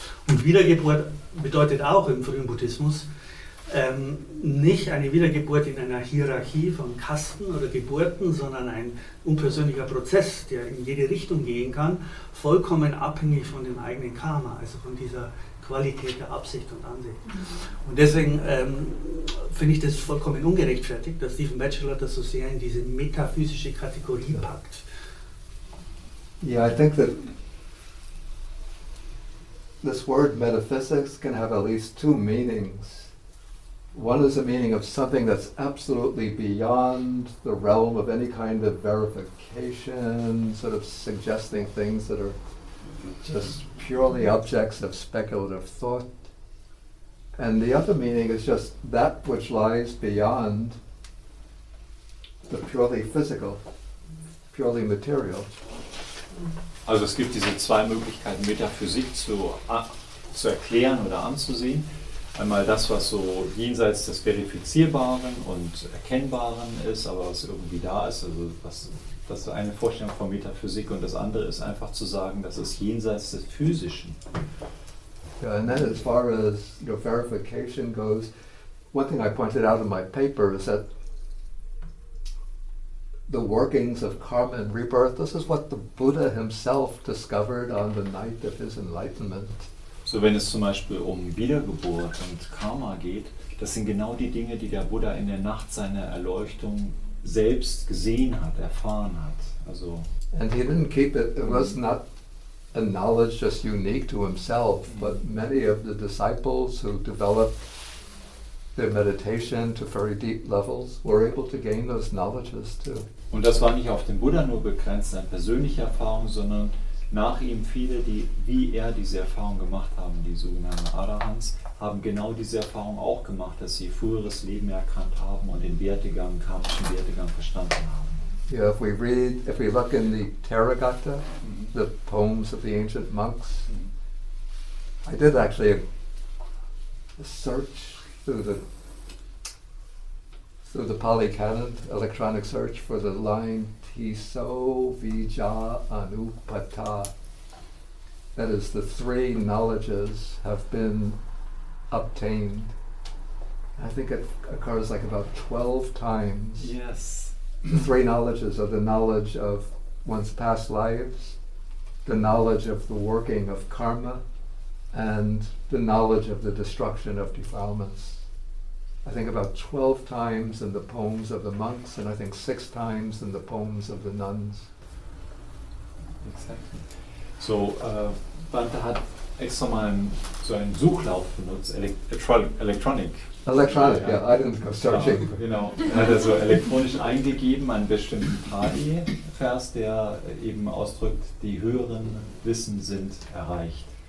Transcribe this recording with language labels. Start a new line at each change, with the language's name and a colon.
German: Und Wiedergeburt bedeutet auch im frühen Buddhismus nicht eine Wiedergeburt in einer Hierarchie von Kasten oder Geburten, sondern ein unpersönlicher Prozess, der in jede Richtung gehen kann, vollkommen abhängig von dem eigenen Karma, also von dieser Qualität der Absicht und Ansicht. Und deswegen finde ich das vollkommen ungerechtfertigt, dass Stephen Batchelor das so sehr in diese metaphysische Kategorie packt.
English: Yeah, I think that this word metaphysics can have at least two meanings. One is a meaning of something that's absolutely beyond the realm of any kind of verification, sort of suggesting things that are just purely objects of speculative thought. And the other meaning is just that which lies beyond the purely physical, purely material.
German: Also es gibt diese zwei Möglichkeiten, Metaphysik zu erklären oder anzusehen. Einmal das, was so jenseits des Verifizierbaren und Erkennbaren ist, aber was irgendwie da ist. Also das ist eine Vorstellung von Metaphysik. Und das andere ist einfach zu sagen, dass es jenseits des Physischen
English: Yeah, and then as far as your verification goes, one thing I pointed out in my paper is that the workings of karma and rebirth, this is what the Buddha himself discovered on the night of his enlightenment.
German: So wenn es zum Beispiel um Wiedergeburt und Karma geht, das sind genau die Dinge, die der Buddha in der Nacht seiner Erleuchtung selbst gesehen hat, erfahren hat. Also
English: and he didn't keep it, it was not a knowledge just unique to himself, but many of the disciples who developed their meditation to very deep levels were able to gain those knowledges too. Und das war nicht auf den Buddha nur begrenzt, seine persönliche Erfahrung, sondern nach ihm viele, die wie er diese Erfahrung gemacht haben, die sogenannten Arahants, haben genau diese Erfahrung auch gemacht, dass sie früheres Leben erkannt haben und den Wertegang, karmischen Wertegang verstanden haben. Yeah, if we read, if we look in the Theragatha, the poems of the ancient monks, I did actually a search through the Pali Canon, electronic search for the line
Pali: Tiso Vija Anupata.
English: That is, the three knowledges have been obtained. I think it occurs like about 12 times. Yes. The three knowledges are the knowledge of one's past lives, the knowledge of the working of karma, and the knowledge of the destruction of defilements. I think about 12 times in the poems of the monks, and I think 6 times in the poems of the nuns. Exactly.
German: So, Bhante hat extra mal so einen Suchlauf benutzt,
English: electronic. Electronic, yeah, I didn't go searching.
German: Genau, er hat so elektronisch eingegeben einen bestimmten Pali-Vers, der eben ausdrückt, die höheren Wissen sind erreicht.